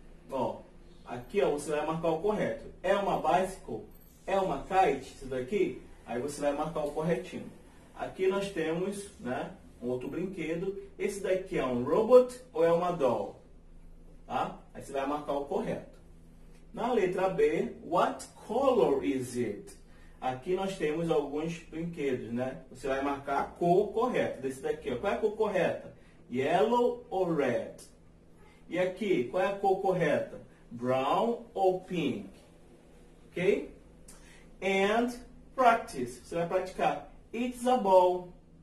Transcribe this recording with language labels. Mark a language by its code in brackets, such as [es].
[pt] Ó, aqui ó, você vai marcar o correto. É uma bicycle? É uma kite? Isso daqui? Aí você vai marcar o corretinho. Aqui nós temos, né, um outro brinquedo. Esse daqui é um robot ou é uma doll? Tá? Aí você vai marcar o correto. Na letra B, [en] what color is it? [pt] Aqui nós temos alguns brinquedos, né? Você vai marcar a cor correta desse daqui. Qual é a cor correta? Yellow ou red? E aqui, qual é a cor correta? Brown ou pink? Ok? [en] And practice. [pt] Você vai praticar. [en] It's a ball.